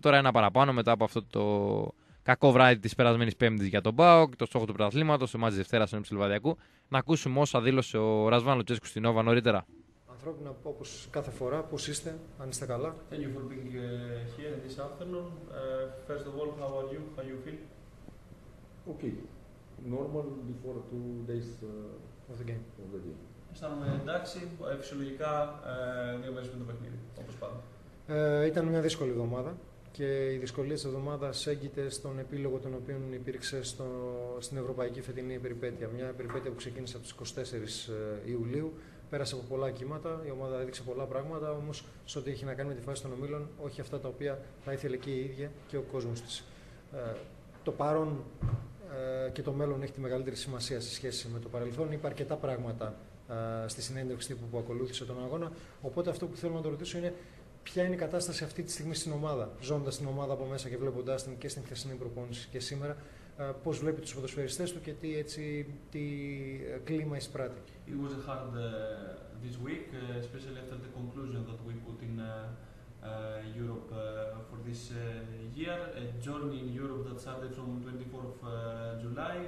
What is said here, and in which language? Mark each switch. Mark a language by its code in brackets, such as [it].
[el] Τώρα ένα παραπάνω μετά από αυτό το κακό βράδυ της περασμένης Πέμπτης για τον ΠΑΟΚ, το στόχο του πρωταθλήματος, το μάτς της Δευτέρας ενός Λιβαδιακού. Να ακούσουμε όσα δήλωσε ο Ρασβάν Λουτσέσκου στην Νόβα νωρίτερα. Ανθρώπινα, όπως κάθε φορά, πώς είστε, αν είστε καλά. [en] Thank you for being here this afternoon. First of all, how are you? How you feel? Okay. Normal before two days of the game. [el] Αισθάνομαι εντάξει, φυσιολογικά δύο μέρες πριν το παιχνίδι, όπως πάντα. Ήταν μια δύσκολη εβδομάδα. Και η δυσκολία της εβδομάδας έγκυται στον επίλογο τον οποίο υπήρξε στην ευρωπαϊκή φετινή περιπέτεια. Μια περιπέτεια που ξεκίνησε από τις 24 Ιουλίου, πέρασε από πολλά κύματα, η ομάδα έδειξε πολλά πράγματα, όμως σε ό,τι έχει να κάνει με τη φάση των ομίλων, όχι αυτά τα οποία θα ήθελε και η ίδια και ο κόσμος της. Το παρόν και το μέλλον έχει τη μεγαλύτερη σημασία σε σχέση με το παρελθόν. Είπε αρκετά πράγματα στη συνέντευξη τύπου που ακολούθησε τον αγώνα. Οπότε αυτό που θέλω να το ρωτήσω είναι. Ποια είναι η κατάσταση αυτή τη στιγμή στην ομάδα, ζώντας την ομάδα από μέσα και βλέποντάς την και στην χθεσινή προπόνηση και σήμερα, πώς βλέπει τους ποδοσφαιριστές του και τι, έτσι, τι κλίμα εισπράττει. [en] It was hard this week, especially after the conclusion that we put in Europe for this year. A journey in Europe that started from 24th July.